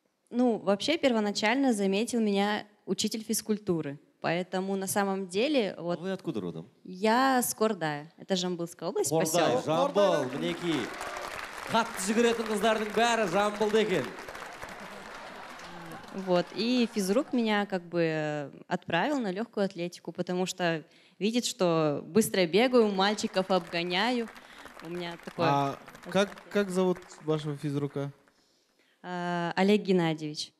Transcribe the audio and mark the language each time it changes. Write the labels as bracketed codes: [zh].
[ru] Ну, вообще, первоначально заметил меня учитель физкультуры. Поэтому на самом деле... Вот, а вы откуда родом? Я с Кордая. Это Жамбылская область, поселок. [kk] Жамбыл, мінекі. Қатты жүгіретін қыздардың бәрі Жамбыл деген. [ru] Вот, и физрук меня как бы отправил на легкую атлетику, потому что видит, что быстро бегаю, мальчиков обгоняю. У меня такое... А как зовут вашего физрука? Олег Геннадьевич.